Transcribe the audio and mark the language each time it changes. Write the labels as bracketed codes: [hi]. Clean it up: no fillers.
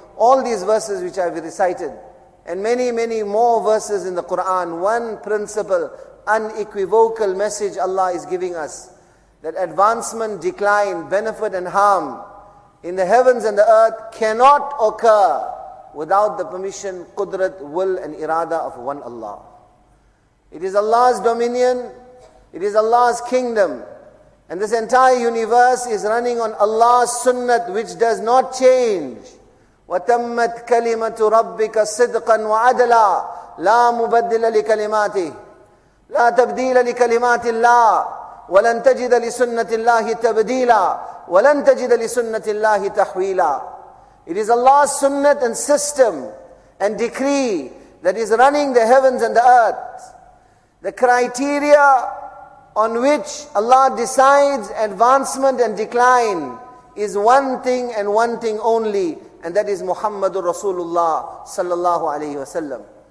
[en] All these verses which I've recited and many, many more verses in the Quran, one principle, unequivocal message Allah is giving us, that advancement, decline, benefit and harm in the heavens and the earth cannot occur without the permission, qudrat, will and irada of one Allah. It is Allah's dominion, it is Allah's kingdom, and this entire universe is running on Allah's sunnat, which does not change. [ar] وَتَمَّتْ كَلِمَةُ رَبِّكَ صِدْقًا وَعَدْلًا لا مبدل لكلماته، لا تبديل لكلمات الله، ولن تجد لسنة الله تبديلا، ولن تجد لسنة الله تحويلا. [en] It is Allah's sunnah and system and decree that is running the heavens and the earth. The criteria on which Allah decides advancement and decline is one thing and one thing only, and that is Muhammadur Rasulullah sallallahu alayhi wa sallam.